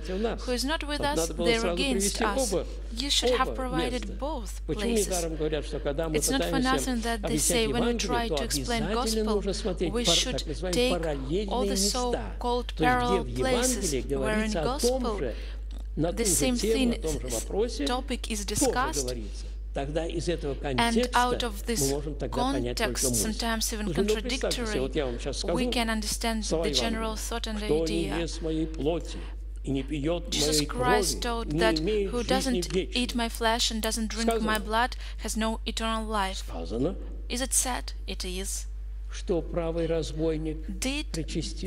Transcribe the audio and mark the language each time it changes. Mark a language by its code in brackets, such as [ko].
[en] Who is not with us, they are against us. You should have provided both places. It's not for nothing that they say when we try to explain Gospel, we should take all the so-called parallel places, where in Gospel the same thing, topic is discussed. [ru] Тогда из этого контекста мы можем тогда понять только мысль. [en] Sometimes even contradictory, [ru] вот я вам сейчас скажу, [en] we can understand the general thought and the idea. [ru] Кто не ест моей плоти и не пьет моей крови, [en] Jesus Christ told that who doesn't eat my flesh and doesn't drink my blood has no eternal life. [ru] Сказано. [en] Is it said? It is. [ru] Что правый разбойник причастился?